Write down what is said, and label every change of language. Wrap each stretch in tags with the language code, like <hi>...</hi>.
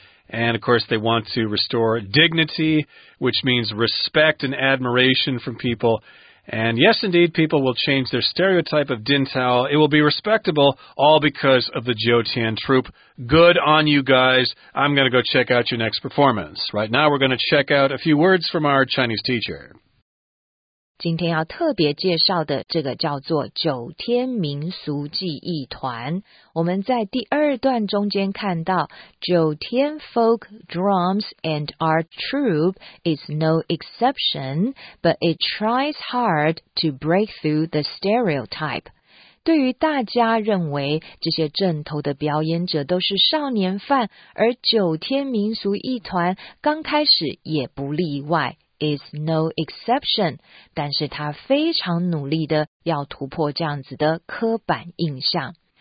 <en>And, of course, they want to restore dignity, which means respect and admiration from people. And yes, indeed, people will change their stereotype of Dingtao. It will be respectable, all because of the Jotian troupe. Good on you guys. I'm going to go check out your next performance. Right now, we're going to check out a few words from our Chinese teacher.</en> <zh>今天要特别介绍的这个叫做九天民俗记忆团。我们在第二段中间看到九天</zh> <en>folk drums and art troupe is no exception, but it tries hard to break through the stereotype.</en> <zh>对于大家认为这些阵头的表演者都是少年犯，而九天民俗艺团刚开始也不例外</zh> <en>is no exception，</en> <zh>但是他非常努力的要突破这样子的刻板印象。</zh>